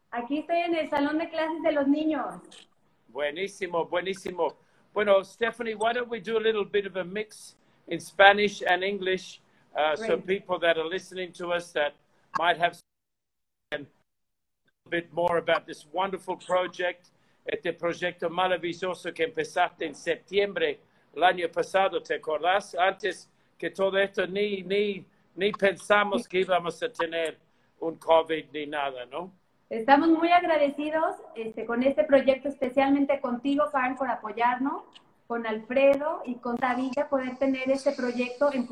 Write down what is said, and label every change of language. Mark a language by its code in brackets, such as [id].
[es] Aquí estoy en el salón de clases de los niños. Buenísimo. [en] Bueno, Stephanie, why don't we do a little bit of a mix in Spanish and English so people that are listening to us that might have a bit more about this wonderful project. [es] Este proyecto maravilloso que empezaste en septiembre el año pasado, ¿te acordás? Antes que todo esto, ni pensamos que íbamos a tener un COVID ni nada, ¿no? Estamos muy agradecidos con este proyecto, especialmente contigo, Carl, por apoyarnos, con Alfredo y con David, poder tener este proyecto.